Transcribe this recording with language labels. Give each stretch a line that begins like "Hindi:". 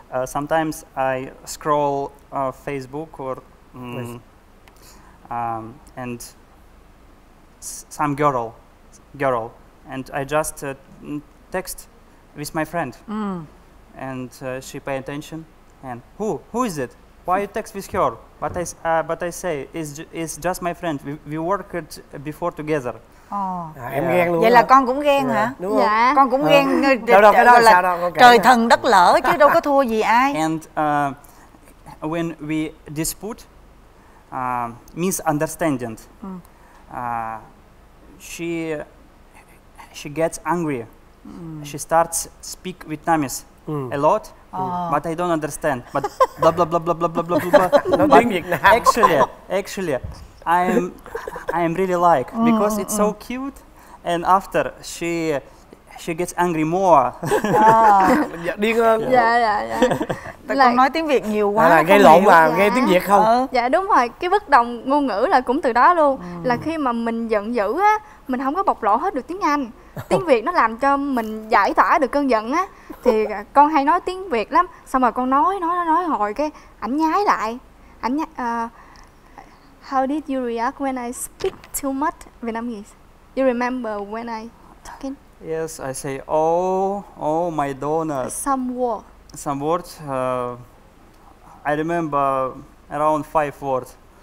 English: sometimes I scroll Facebook or and some girl, and I just text with my friend. And she pay attention, And who is it? Why you text with her? But I say is just my friend. We worked before together.
Vietnamese: Oh. À, em ghen luôn. Vậy là con cũng ghen hả? Đúng không? Dạ. Con cũng ghen. Đâu là trời thần đất lỡ chứ đâu có thua gì ai.
English: And when we dispute misunderstanding. She gets angry. She starts speak Vietnamese a lot. But I don't understand. But blah blah blah blah blah blah blah blah. actually I am really like because it's so cute, and after she gets angry more.
Vietnamese: Dạ, điên hơn. Dạ dạ dạ. Tại là... con nói tiếng Việt nhiều quá. À, gây lộn mà dạ. Nghe tiếng Việt không? Dạ đúng rồi, cái bất đồng ngôn ngữ là cũng từ đó luôn. Là khi mà mình giận dữ á, mình không có bộc lộ hết được tiếng Anh. Tiếng Việt nó làm cho mình giải tỏa được cơn giận á. Thì con hay nói tiếng Việt lắm. Xong rồi con nói hồi cái ảnh nhái lại. Ảnh nhái
English: how did you react when I speak too much Vietnamese? You remember when I talking? Yes, I say oh my donut. Some words. I remember around 5 words.